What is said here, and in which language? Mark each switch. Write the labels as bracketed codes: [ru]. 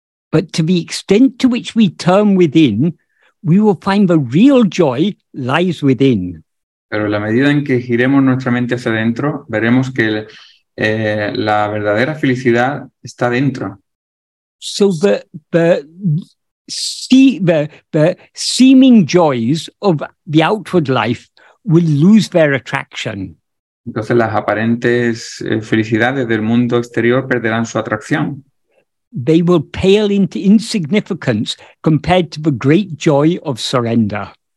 [en] But to the extent to which we turn within, we will find the real joy lies within. [es] Pero en la medida en que giremos nuestra mente hacia adentro, veremos que la verdadera felicidad está dentro. [en] So the seeming joys of the outward life will lose their attraction. [es] Entonces las aparentes felicidades del mundo exterior perderán su atracción. [en] they will pale into insignificance compared to the great joy of surrender.